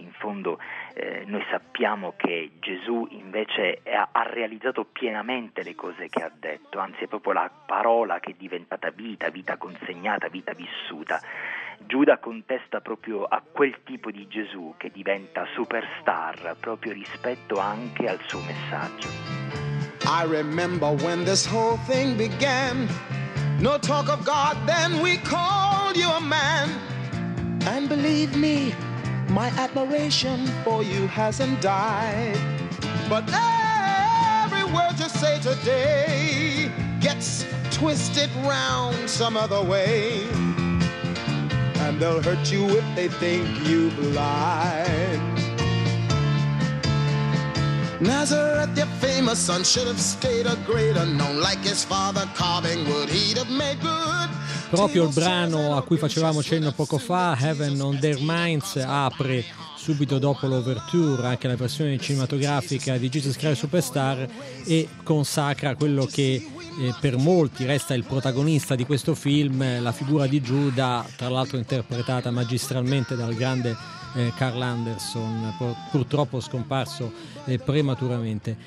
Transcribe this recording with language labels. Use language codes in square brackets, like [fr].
[it] In fondo noi sappiamo che Gesù invece ha realizzato pienamente le cose che ha detto, anzi è proprio la parola che è diventata vita, vita consegnata, vita vissuta. Giuda contesta proprio a quel tipo di Gesù che diventa superstar proprio rispetto anche al suo messaggio. [en] I remember when this whole thing began. No talk of God, then we called you a man. And believe me, my admiration for you hasn't died. But every word you say today gets twisted round some other way. And they'll hurt you if they think you've lied. Nazareth, your famous son, should have stayed a great unknown like his father carving wood, he'd have made good. [it] Proprio il brano a cui facevamo cenno poco fa, Heaven on Their Minds, apre subito dopo l'ouverture anche la versione cinematografica di Jesus Christ Superstar e consacra quello che per molti resta il protagonista di questo film, la figura di Giuda, tra l'altro interpretata magistralmente dal grande Carl Anderson, purtroppo scomparso prematuramente.